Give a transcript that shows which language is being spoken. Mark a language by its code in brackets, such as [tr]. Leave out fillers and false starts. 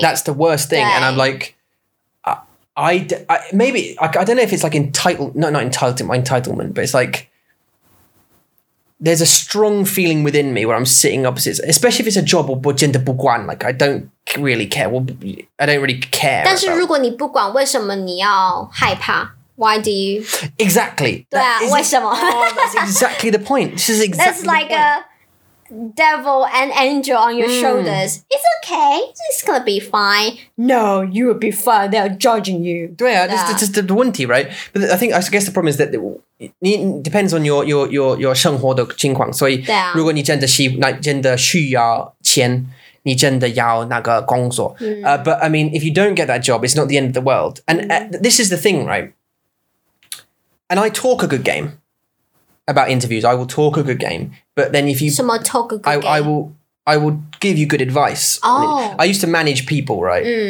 [en] That's the worst thing. And I'm like, I don't know if it's like entitlement, but it's like, there's a strong feeling within me where I'm sitting opposite, especially if it's a job or gender [zh] 不管, [en] like I don't really care. I don't really care. [zh] 但是如果你不管, 为什么你要害怕? [en] Why do you? Exactly. [zh] 对啊, 为什么? [en] Oh, that's exactly the point. This is exactly That's like a devil and angel on your shoulders. It's okay. It's gonna be fine. No, you will be fine. They're judging you. [zh] 对啊, [en] yeah. just the [zh] 问题, [en] right? But I think, I guess the problem is that it depends on your [zh] 生活的情况。所以如果你真的是, like, 真的需要钱, 你真的要那个工作。 [en] But I mean, if you don't get that job, it's not the end of the world. And this is the thing, right? And I talk a good game about interviews. I will talk a good game. But then if you... Someone talk a good game. I will give you good advice. Oh. I used to manage people, right?